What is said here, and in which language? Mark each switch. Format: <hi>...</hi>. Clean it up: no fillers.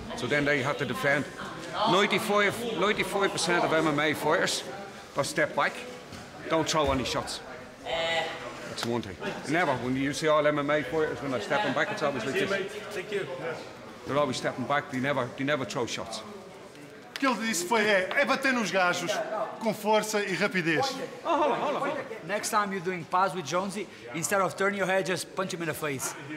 <en>So then they have to defend. 95% of MMA fighters, they step back, don't throw any shots. That's one thing. Never, when you see all MMA fighters, when they're stepping back, it's always like this. Thank you. They're always stepping back, they never throw shots.</en> <pt>O que ele disse foi é bater nos gajos com força e rapidez.</pt> <en>Oh, hold on. Next time you're doing pass with Jonesy, instead of turning your head, just punch him in the face.</en>